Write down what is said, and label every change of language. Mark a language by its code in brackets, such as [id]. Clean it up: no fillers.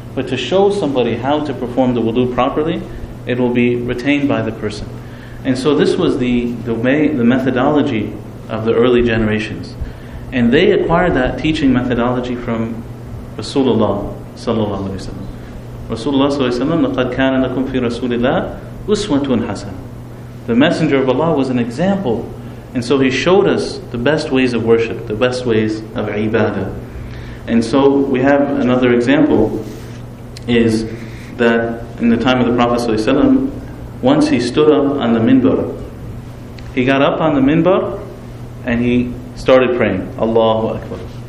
[en] But to show somebody how to perform the wudu properly, it will be retained by the person. And so this was the methodology of the early generations. And they acquired that teaching methodology from Rasulullah sallallahu alaihi wasallam. [ar] Rasulullah sallallahu alaihi wasallam, لقد كان لكم في رسول الله أسوة حسنة. [en] The Messenger of Allah was an example, and so he showed us the best ways of worship, the best ways of ibadah. And so we have another example, is that in the time of the Prophet sallallahu alaihi wasallam, once he stood up on the minbar, he got up on the minbar, and he started praying, Allahu Akbar.